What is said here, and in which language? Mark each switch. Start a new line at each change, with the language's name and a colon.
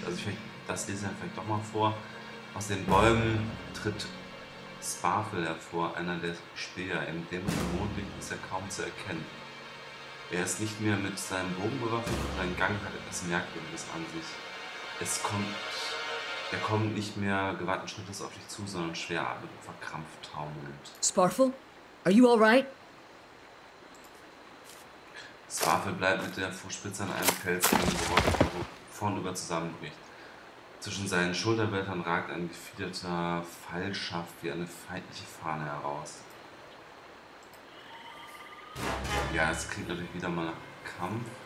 German: Also ich, das lese ich vielleicht doch mal vor. Aus den Bäumen tritt Sparfel hervor, einer der Späher. In dem Mondlicht ist er kaum zu erkennen. Er ist nicht mehr mit seinem Bogen bewaffnet und sein Gang hat etwas Merkwürdiges an sich. Er kommt nicht mehr gewandten Schrittes auf dich zu, sondern schwer atmet und verkrampft taumelnd.
English: Sparfel, are you all right?
German: Sparfel bleibt mit der Fußspitze an einem Fels angebrochen, der vorne über zusammenbricht. Zwischen seinen Schulterblättern ragt ein gefiederter Fallschaft wie eine feindliche Fahne heraus. Ja, es klingt natürlich wieder mal nach Kampf.